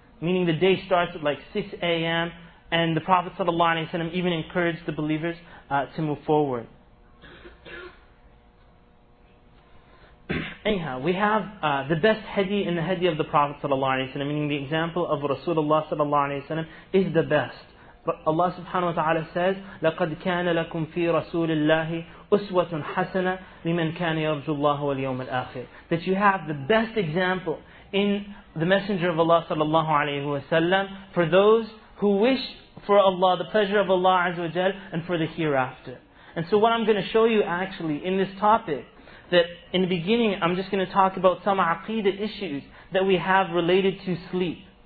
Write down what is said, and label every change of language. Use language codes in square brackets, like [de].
[en] Meaning the day starts at like 6 a.m. and the Prophet ﷺ even encouraged the believers to move forward. Anyhow, we have the best hadith in the hadith of the Prophet ﷺ, meaning the example of Rasulullah ﷺ is the best. But Allah subhanahu wa ta'ala says, [ar] لَقَدْ كَانَ لَكُمْ فِي رَسُولِ اللَّهِ أُسْوَةٌ حَسَنَةٌ لِمَنْ كَانَ يَرْجُ اللَّهُ وَالْيَوْمَ الْآخِرِ. [en] That you have the best example in the Messenger of Allah sallallahu alayhi wa sallam for those who wish for Allah, the pleasure of Allah azza wa jal, and for the hereafter. And so what I'm going to show you actually in this topic, that in the beginning, I'm just going to talk about some aqidah issues that we have related to sleep.